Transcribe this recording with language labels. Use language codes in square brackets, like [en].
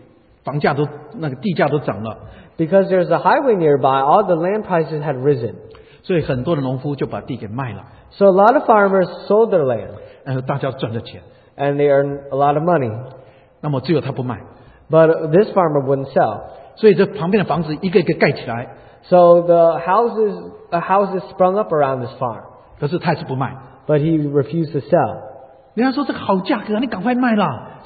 [zh] 那么他们那个地方因为有高速公路经过，所以房价都那个地价都涨了。 [en] Because there's a highway nearby, all the land prices had risen. [zh] 所以很多的农夫就把地给卖了。 [en] So a lot of farmers sold their land. [zh] 然后大家赚了钱。 [en] And they earned a lot of money. [zh] 那么只有他不卖。 [en] But this farmer wouldn't sell. [zh] 所以这旁边的房子一个一个盖起来。 [en] So the houses sprung up around this farm. [zh] 可是他还是不卖。 [en] But he refused to sell. [zh] 人家说这个好价格，你赶快卖了。